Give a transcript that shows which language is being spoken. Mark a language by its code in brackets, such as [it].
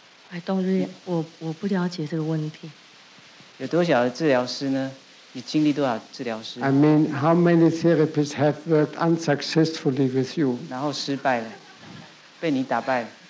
[zh] 哎，冬日，我不了解这个问题。有多少治疗师呢？你经历多少治疗师 [en] ？I mean, how many therapists have worked unsuccessfully with you? [zh] 然后失败了，被你打败了。